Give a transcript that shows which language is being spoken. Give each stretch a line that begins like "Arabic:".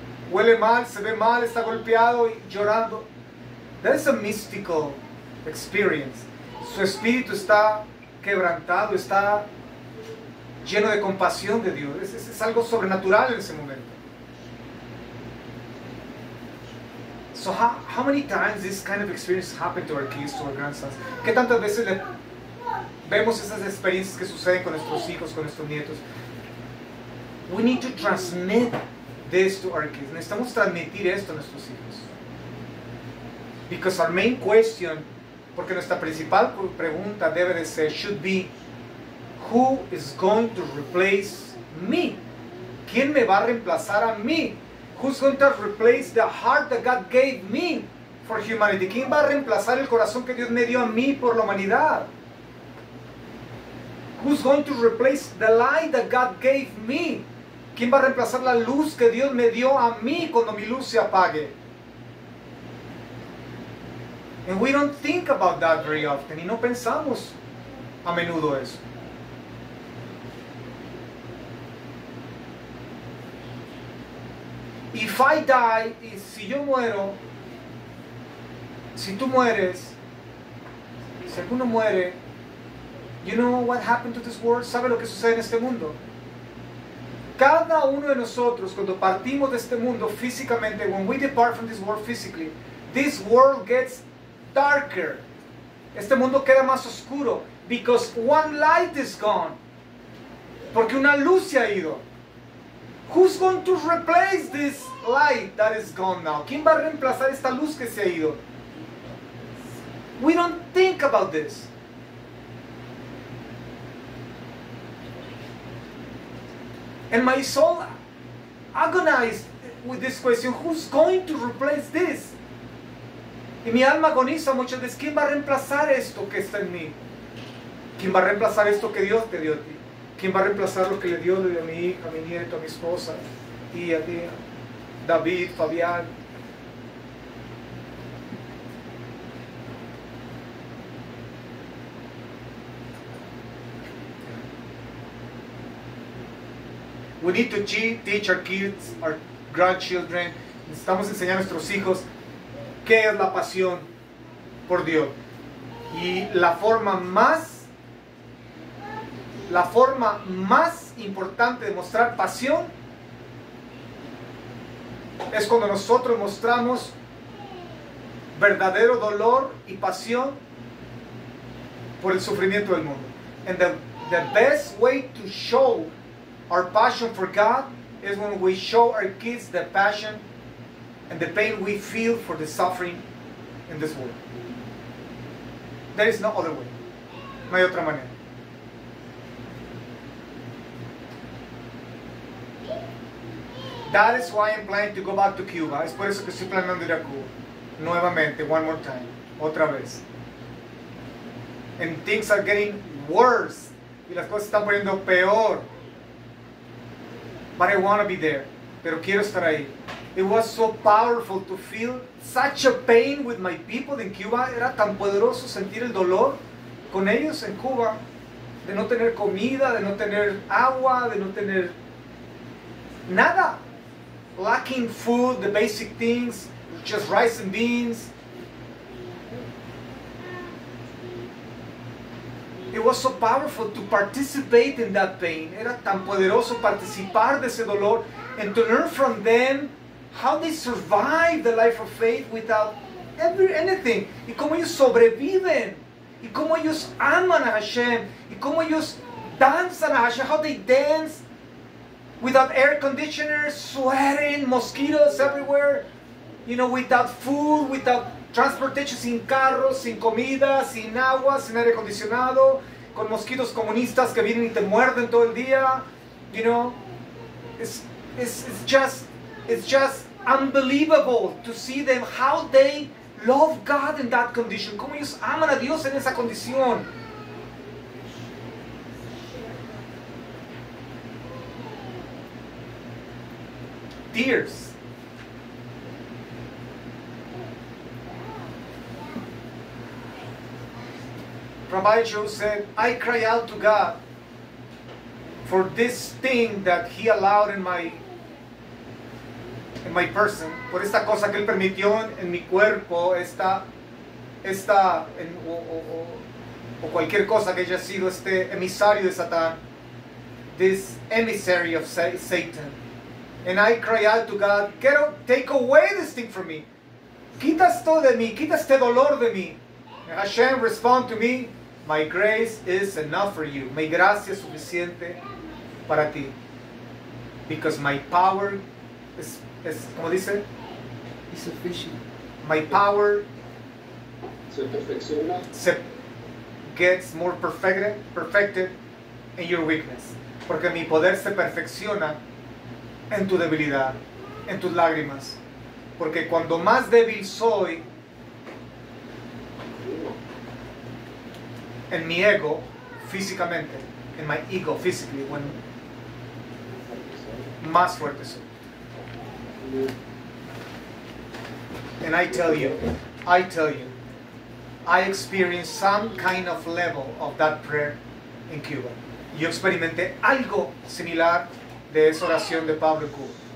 Spanish: Huele mal, se ve mal, está golpeado y llorando.
English: That is a mystical experience.
Spanish: Su espíritu está quebrantado, está lleno de compasión de Dios. Es algo sobrenatural en ese momento.
English: So how many times this kind of experience happened to our kids, to our grandsons?
Spanish: ¿Qué tantas veces vemos esas experiencias que suceden con nuestros hijos, con nuestros nietos?
English: We need to transmit this to our kids.
Spanish: Necesitamos transmitir esto a nuestros hijos.
English: Because our main question,
Spanish: porque nuestra principal pregunta debe de ser,
English: should be, who is going to replace me?
Spanish: ¿Quién me va a reemplazar a mí?
English: Who's going to replace the heart that God gave me for humanity?
Spanish: ¿Quién va a reemplazar el corazón que Dios me dio a mí por la humanidad?
English: Who's going to replace the light that God gave me?
Spanish: ¿Quién va a reemplazar la luz que Dios me dio a mí cuando mi luz se apague?
English: And we don't think about that very often.
Spanish: Y no pensamos a menudo eso.
English: If I die,
Spanish: y si yo muero, si tú mueres, si alguno muere,
English: you know what happened to this world?
Spanish: ¿Sabe lo que sucede en este mundo? Cada uno de nosotros, cuando partimos de este mundo físicamente,
English: when we depart from this world physically, this world gets darker.
Spanish: Este mundo queda más oscuro.
English: Because one light is gone.
Spanish: Porque una luz se ha ido.
English: Who's going to replace this light that is gone now?
Spanish: ¿Quién va a reemplazar esta luz que se ha ido?
English: We don't think about this. And my soul agonized with this question, who's going to replace this?
Spanish: Y mi alma agoniza muchas veces, ¿quién va a reemplazar esto que está en mí? ¿Quién va a reemplazar esto que Dios te dio a ti? ¿Quién va a reemplazar lo que le dio a mi hija, a mi nieto, a mi esposa, a ti, David, Fabián?
English: We need to teach our kids, our grandchildren.
Spanish: Necesitamos enseñar a nuestros hijos qué es la pasión por Dios. Y la forma más importante de mostrar pasión es cuando nosotros mostramos verdadero dolor y pasión por el sufrimiento del mundo.
English: And the best way to show our passion for God is when we show our kids the passion and the pain we feel for the suffering in this world. There is no other way.
Spanish: No hay otra manera.
English: That is why I'm planning to go back to Cuba.
Spanish: Es por eso que estoy planeando ir a Cuba. Nuevamente,
English: one more time.
Spanish: Otra vez.
English: And things are getting worse.
Spanish: Y las cosas están poniendo peor.
English: But I want to be there.
Spanish: Pero quiero estar ahí.
English: It was so powerful to feel such a pain with my people in Cuba.
Spanish: Era tan poderoso sentir el dolor con ellos en Cuba. De no tener comida, de no tener agua, de no tener nada.
English: Lacking food, the basic things, just rice and beans. It was so powerful to participate in that pain.
Spanish: Era tan poderoso participar de ese dolor
English: and to learn from them how they survive the life of faith without ever anything.
Spanish: Y cómo ellos sobreviven. Y cómo ellos aman a Hashem. Y cómo ellos danzan a Hashem.
English: How they dance without air conditioners, sweating, mosquitoes everywhere. You know, without food, without transportation,
Spanish: sin carros, sin comida, sin agua, sin aire acondicionado, con mosquitos comunistas que vienen y te muerden todo el día,
English: you know. It's just unbelievable to see them, how they love God in that condition.
Spanish: Cómo ellos aman a Dios en esa condición.
English: Tears. Rabbi Joe said, I cry out to God for this thing that he allowed in my person,
Spanish: por esta cosa que él permitió en mi cuerpo, o cualquier cosa que haya sido este emisario de Satán,
English: this emissary of Satan. And I cry out to God, take away this thing from me.
Spanish: Quita esto de mí, quita este dolor de mí.
English: And Hashem respond to me, my grace is enough for you.
Spanish: Mi gracia es suficiente para ti.
English: Because my power is,
Spanish: ¿cómo dice?
English: Is sufficient. My power
Spanish: se perfecciona.
English: Gets more perfected in your weakness.
Spanish: Porque mi poder se perfecciona en tu debilidad, en tus lágrimas. Porque cuando más débil soy, en mi ego, físicamente, en
English: my ego, physically, when
Spanish: más fuerte soy.
English: And I tell you, I experienced some kind of level of that prayer in Cuba.
Spanish: Yo experimenté algo similar de esa oración de Pablo Cuba.